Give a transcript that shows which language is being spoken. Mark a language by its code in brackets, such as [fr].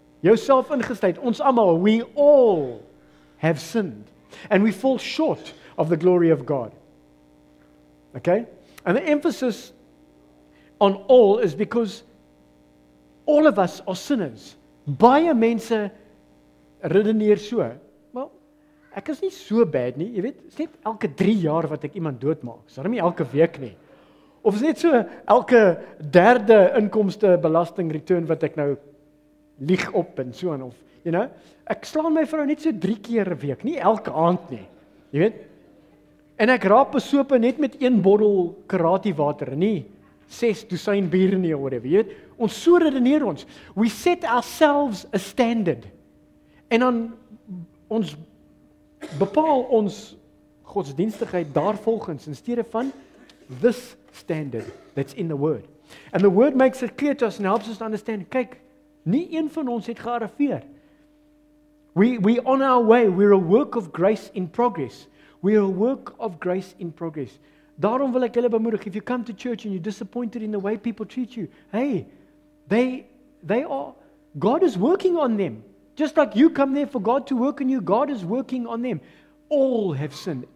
[en] Yourself [af] ingesluit, ons allemaal, [en] we all have sinned. And we fall short of the glory of God. Okay? And the emphasis on all is because all of us are sinners. [af] Baie mense redeneer so. [en] Well, [af] ek is nie [en] so bad [af] nie, jy weet, is net elke 3 jaar wat ek iemand doodmaak. Is daarom nie elke week nie. Of is net so elke derde inkomste belasting return wat ek nou lieg op en so aan, of, [en] you know, [af] ek slaan my vrou net so 3 keer 'n week, nie elke aand nie, you weet, En ek raak besope net met een bottel karate water, nie 6 dosyn bier nie, of whatever, jy weet, ons so redeneer ons, [en] we set ourselves a standard, [af] en dan ons bepaal ons godsdienstigheid daar volgens, in steede van [en] this standard that's in the word. And the word makes it clear to us and helps us to understand, [af] kyk, nie een van ons het gearriveer. [en] We on our way, we're a work of grace in progress. We're a work of grace in progress. [af] Daarom wil ek julle bemoedig, [en] if you come to church and you're disappointed in the way people treat you, hey, they are, God is working on them. Just like you come there for God to work on you, God is working on them. All have sinned.